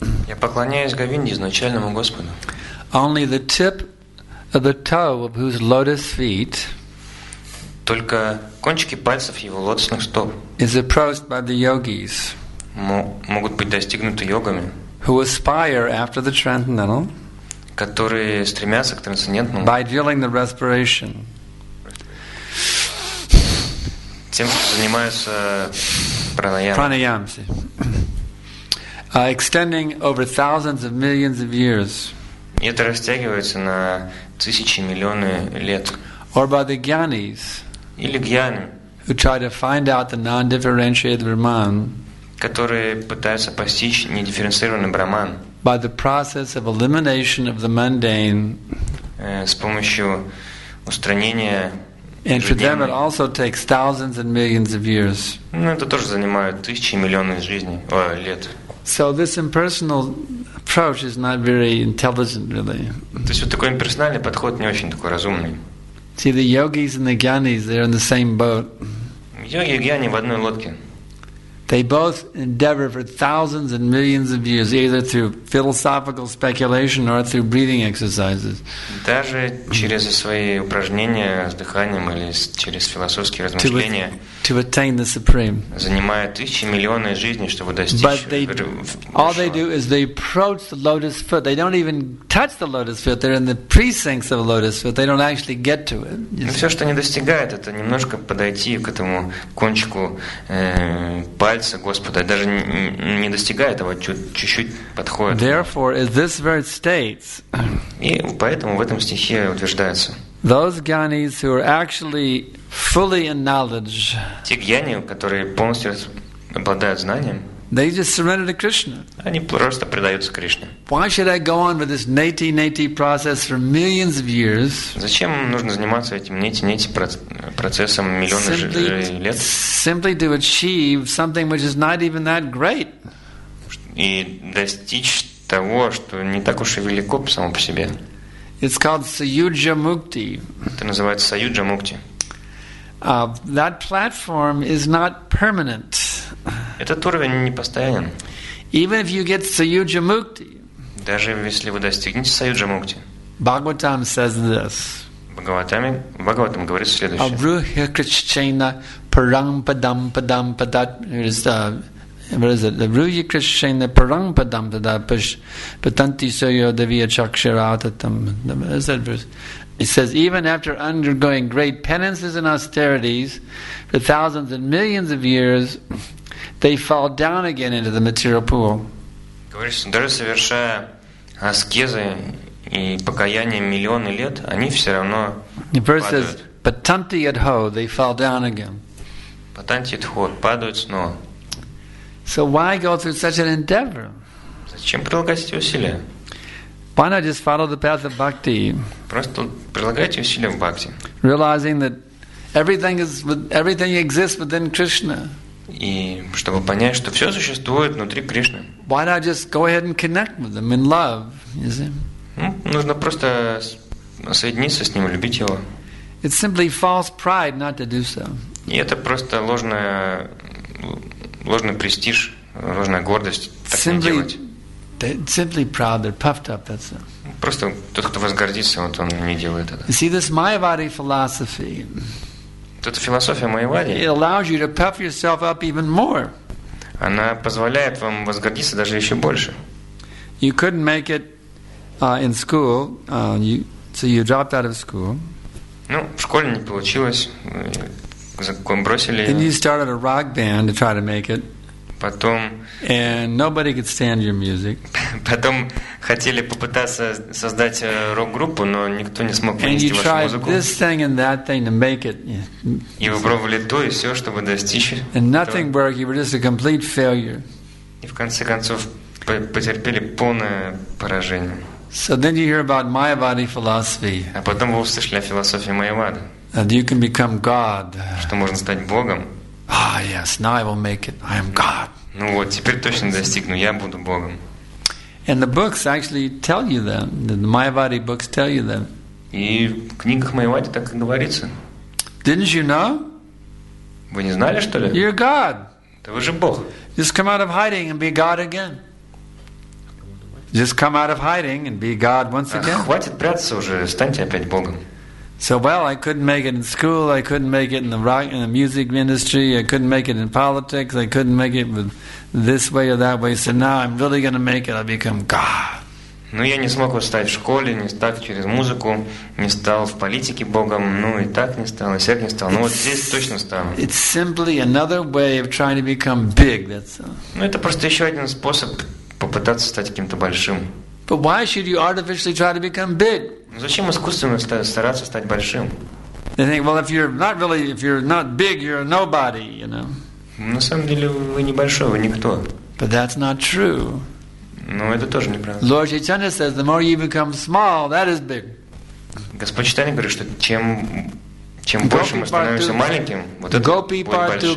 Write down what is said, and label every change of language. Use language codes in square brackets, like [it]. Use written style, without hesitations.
[ru] Я поклоняюсь Говинде, изначальному Господу. [en] Only the tip of the toe of whose lotus feet, [ru] только кончики пальцев его лотосных стоп, [en] is approached by the yogis, [ru] могут быть достигнуты йогами, [en] who aspire after the transcendental, [ru] которые стремятся к трансцендентному, [en] by drilling the respiration, [ru] тем, кто занимается пранаямой, [en] pranayams, extending over thousands of millions of years. [ru] И это растягивается на тысячи, миллионы лет. [en] Or by the gyanis, [ru] или гьяны, [en] who try to find out the non-differentiated Brahman, [ru] которые пытаются постичь недифференцированный Брахман, [en] by the process of elimination of the mundane, [ru] с помощью устранения. [en] And for them it also takes thousands and millions of years. [ru] Ну, это тоже занимает тысячи, миллионы жизни, лет. [en] So this impersonal approach is not very intelligent, really. [ru] То есть вот такой имперсональный подход не очень такой разумный. [en] See, the yogis and the gyanis, they're in the same boat. [ru] Йоги и гьяни в одной лодке. [en] They both endeavor for thousands and millions of years, either through philosophical speculation or through breathing exercises. [ru] Даже через свои упражнения с дыханием или через философские размышления. [en] To attain the supreme. [ru] Занимая тысячи, миллионы жизней, чтобы достичь. [en] All they do is they approach the lotus foot. They don't even touch the lotus foot. They're in the precincts of a lotus foot. They don't actually get to it. [ru] Все, что они достигают, это немножко подойти к этому кончику. Пальца Господа даже не достигает этого, чуть-чуть подходит. [en] Therefore, as this verse states, [ru] и поэтому в этом стихе утверждается. [en] Those gyanis who are actually fully in knowledge. [ru] Те гьяни, которые полностью обладают знанием. [en] They just surrender to Krishna. [ru] Они просто предаются Кришне. [en] Why should I go on with this neti-neti process for millions of years? [ru] Зачем нужно заниматься этим neti-neti процессом миллионы лет? [en] Simply to achieve something which is not even that great. [ru] И достичь того, что не так уж и велико само по себе. [en] It's called Sayujya Mukti. [ru] Это называется Sayujya Mukti. [en] That platform is not permanent. [ru] Этот уровень не постоянен. [en] Even if you get Sayujya Mukti, [ru] даже если вы достигнете Sayujya Mukti, [en] Bhagavatam says this. [ru] Bhagavatam говорит следующее. [sa] Avruhya Krishchena Parampadam Padam Padat. Avruhya Krishchena Parampadam Padat Patanti Sayo Deviya Chakshiratatam. [en] Is that verse? It says, even after undergoing great penances and austerities for thousands and millions of years, they fall down again into the material pool. [ru] Говорит, даже совершая аскезы и покаяние миллионы лет, они все равно падают. [sa] Patanti adho, [en] they fall down again. [sa] Patanti adho, [ru] падают снова. [en] So why go through such an endeavor? [ru] Зачем прилагать эти усилия? [en] Why not just follow the path of bhakti? [ru] Просто прилагайте усилия в бхакти. [en] Realizing that everything exists within Krishna. [ru] И чтобы понять, что все существует внутри Кришны. [en] Why not just go ahead and connect with them in love? Is it? [ru] Нужно просто соединиться с ним, любить его. [en] It's simply false pride not to do so. [ru] И это просто ложный престиж, ложная гордость так [en] simply [ru] не делать. [en] Simply proud, they're puffed up. That's it. [ru] Просто тот, кто возгордится, вот он не делает это. [en] See this Mayavadi philosophy. [ru] Эта философия Майявади. [en] It allows you to puff yourself up even more. [ru] Она позволяет вам возгордиться даже еще больше. [en] You couldn't make it in school, so you dropped out of school. [ru] Ну, в школе не получилось, закон бросили. [en] Then you started a rock band to try to make it. [ru] Потом, [en] and nobody could stand your music. [ru] Потом хотели попытаться создать рок-группу, но никто не смог вынести вашу музыку. [en] And you tried this thing and that thing to make it. [ru] И вы пробовали то и все, чтобы достичь этого. [en] And nothing worked. You were just a complete failure. [ru] И в конце концов потерпели полное поражение. [en] So then you hear about Mayavadi philosophy. [ru] А потом вы услышали о философии Майявады. [en] And you can become God. [ru] Что можно стать богом. [en] Ah, yes, now I will make it. I am God. [ru] Ну вот, теперь точно достигну, я буду Богом. [en] And the books actually tell you that. The Mayavadi books tell you that. [ru] И в книгах Майявады так и говорится. [en] Didn't you know? [ru] Вы не знали, что ли? [en] You're God. [ru] Да вы же Бог. [en] Just come out of hiding and be God again. Just come out of hiding and be God once again. [ru] Хватит прятаться уже, станьте опять Богом. [en] So well, I couldn't make it in school. I couldn't make it in the rock, in the music industry. I couldn't make it in politics. I couldn't make it with this way or that way. So now I'm really going to make it. I'll become God. [ru] Ну я не смог стать в школе, не стать через музыку, не стал в политике Богом. Ну и так не стал, и сяк не стал. Ну вот здесь точно стану. [en] It's simply another way of trying to become big. That's all. [ru] Ну это просто еще один способ попытаться стать каким-то большим. [en] But why should you artificially try to become big? [ru] Зачем искусственно стараться стать большим? [en] They think, well, if you're not really, if you're not big, you're nobody, you know. [ru] На самом деле вы небольшой, вы никто. [en] But that's not true. [ru] Но это тоже неправда. [en] Lord Chaitanya says, the more you become small, that is big. [ru] Господь Чайтанья говорит, что чем больше мы становимся маленьким, вот это будет большим.